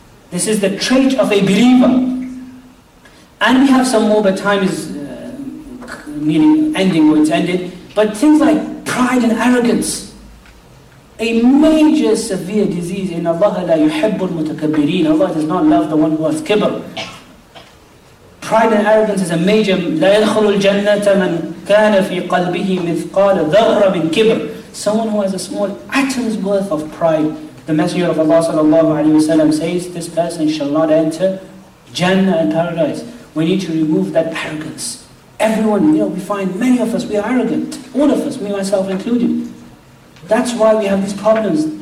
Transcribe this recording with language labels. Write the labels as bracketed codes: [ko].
[en] This is the trait of a believer. And we have some more, but time is meaning ending where it's ended. But things like pride and arrogance, a major severe disease in Allah, [ar] لا يحب المتكبرين. [en] Allah does not love the one who has kibr. Pride and arrogance is a major. [ar] لا يدخل الجنة من كان في قلبه مثقال ذرة من كبر. [en] Someone who has a small atom's worth of pride, the Messenger of Allah sallallahu alaihi wasallam says, this person shall not enter Jannah and Paradise. We need to remove that arrogance. Everyone, you know, we find many of us, we are arrogant. All of us, me myself included. That's why we have these problems.